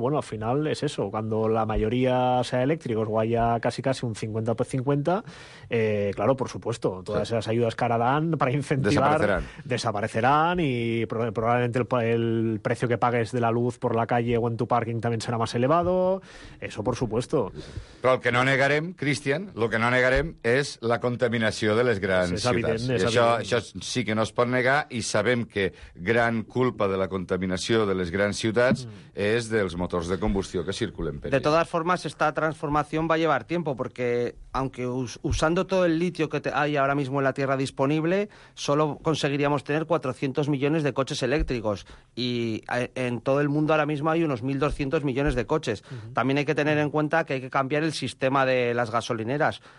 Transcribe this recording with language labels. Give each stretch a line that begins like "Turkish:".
Spanish: Bueno, al final es eso. Cuando la mayoría sea eléctrico o haya casi un 50-50, claro, por supuesto, todas esas ayudas que ahora dan para incentivar desaparecerán y probablemente el precio que pagues de la luz por la calle o en tu parking también será más elevado, eso por supuesto.
Catalan: Però el que no negarem, Cristian, lo que no negarem és la contaminació de les grans ciutats. Evident, això sí que no es pot negar i sabem que gran culpa de la contaminació de les grans ciutats és dels motors de combustió que circulen per allà. De totes formes, esta transformació va llevar
Spanish: tiempo porque aunque usando todo el litio que hay ahora mismo en la Tierra disponible, solo conseguiríamos tener 400 millones de coches eléctricos. Y en todo el mundo ahora mismo hay unos 1.200 millones de coches. Uh-huh. También hay que tener en cuenta que hay que cambiar el sistema de las gasolineras.